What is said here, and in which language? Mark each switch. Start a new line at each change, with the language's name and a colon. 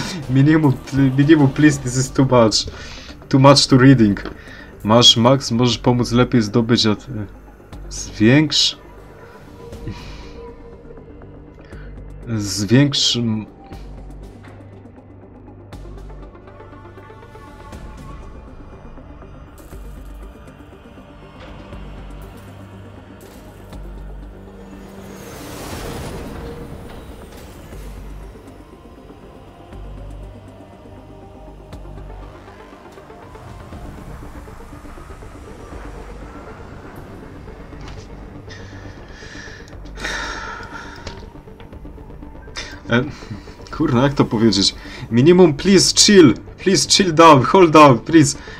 English: Minimum, please, this is too much. Too much to reading.
Polish: Masz max, możesz pomóc lepiej zdobyć od... Zwiększ... Zwiększ... kurna, jak to powiedzieć?
English: Minimum, please chill. Please chill down, hold down, please.